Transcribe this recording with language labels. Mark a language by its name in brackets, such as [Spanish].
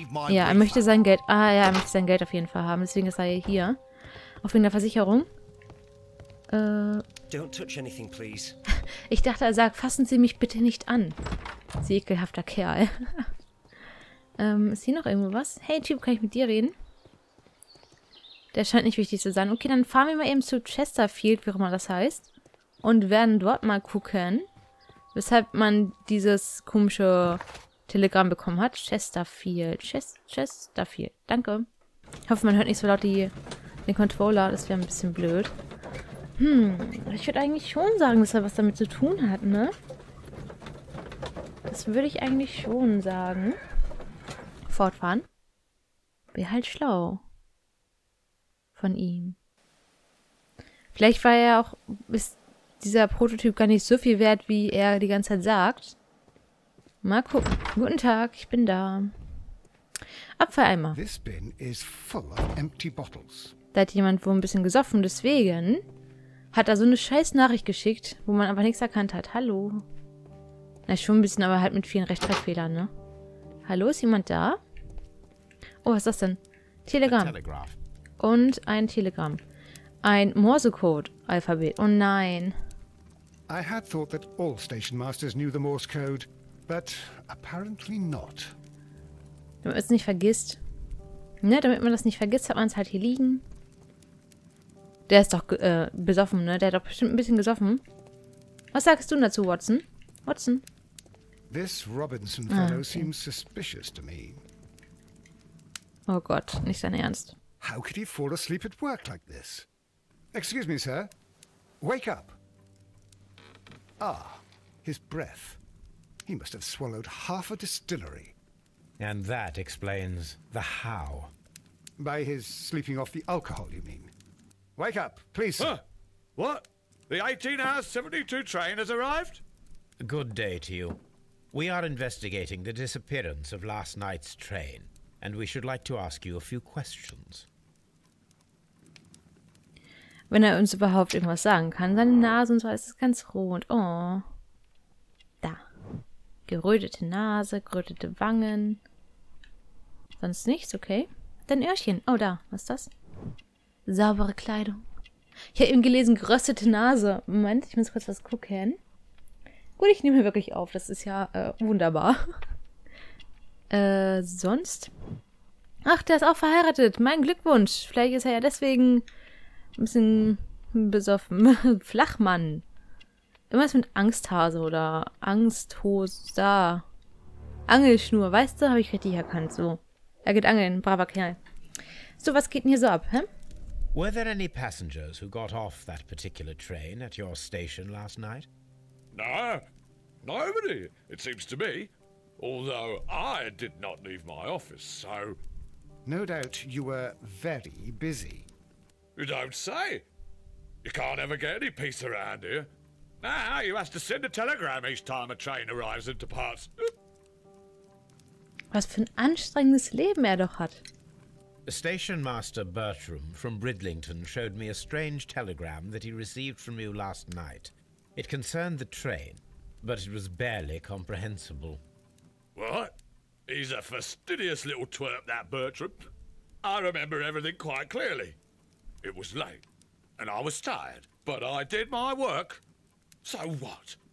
[German] Ja, er möchte sein Geld. Ah ja, er möchte sein Geld auf jeden Fall haben. Deswegen ist er hier. Auf wegen der Versicherung. [English] Don't touch anything, please. [German] Ich dachte, er sagt, fassen Sie mich bitte nicht an. Sie ekelhafter Kerl. ist hier noch irgendwo was? Hey Typ, kann ich mit dir reden? Der scheint nicht wichtig zu sein. Okay, dann fahren wir mal eben zu Chesterfield, wie auch immer das heißt. Und werden dort mal gucken. Weshalb man dieses komische Telegramm bekommen hat. Chesterfield. Chesterfield. Danke. Ich hoffe, man hört nicht so laut den Controller. Das wäre ein bisschen blöd. Ich würde eigentlich schon sagen, dass er was damit zu tun hat, ne? Das würde ich eigentlich schon sagen. Fortfahren. Wäre halt schlau. Von ihm. Vielleicht war er auch bis... dieser Prototyp gar nicht so viel wert, wie er die ganze Zeit sagt. Mal gucken. Guten Tag, ich bin da. Abfalleimer. [English] This bin is full of empty bottles. [German] Da hat jemand wohl ein bisschen gesoffen, deswegen hat er so eine scheiß Nachricht geschickt, wo man aber nichts erkannt hat. Hallo. Na, schon ein bisschen, aber halt mit vielen Rechtschreibfehlern, ne? Hallo, ist jemand da? Oh, was ist das denn? Telegramm. Und ein Telegramm. Ein Morse-Code-Alphabet. Oh nein. [English] I had thought that all station masters knew the Morse code, but apparently not. [German] Damit man es nicht vergisst. Ne, damit man das nicht vergisst, hat man es halt hier liegen. Der ist doch besoffen, ne? Der hat doch bestimmt ein bisschen gesoffen. Was sagst du dazu, Watson? Watson? [English] This Robinson fellow seems suspicious to me. [German] Oh Gott, nicht dein Ernst. [English] How could he fall asleep at work like this? Excuse me, sir. Wake up. Ah, his breath. He must have swallowed half a distillery. And that explains the how. By his sleeping off the alcohol, you mean? Wake up, please, sir. What? The 18:72 train has arrived? Good day to you. We are investigating the disappearance of last night's train, and we should like to ask you a few questions. [German] Wenn er uns überhaupt irgendwas sagen kann. Seine Nase und so, alles ist ganz rot. Oh. Da. Gerötete Nase, gerötete Wangen. Sonst nichts, okay. Dein Öhrchen. Oh, da. Was ist das? Saubere Kleidung. Ich habe eben gelesen, geröstete Nase. Moment, ich muss kurz was gucken. Gut, ich nehme wirklich auf. Das ist ja wunderbar. sonst? Ach, der ist auch verheiratet. Mein Glückwunsch. Vielleicht ist er ja deswegen... ein bisschen besoffen. Flachmann. Irgendwas mit Angsthase oder Angsthose. Angelschnur, weißt du? Habe ich richtig erkannt. So. Er geht angeln. Braver Kerl. So, was geht denn hier so ab, hä? [English] Were there any passengers who got off that particular train at your station last night? No. Nobody, it seems to me. Although I did not leave my office, so. No doubt you were very busy. You don't say. You can't ever get any peace around here. Now you have to send a telegram each time a train arrives and departs. [German] Was für ein anstrengendes Leben er doch hat. [English] Station Master Bertram from Bridlington showed me a strange telegram that he received from you last night. It concerned the train, but it was barely comprehensible. What? He's a fastidious little twerp, that Bertram. I remember everything quite clearly. It was late, and I was tired, but I did my work. So what?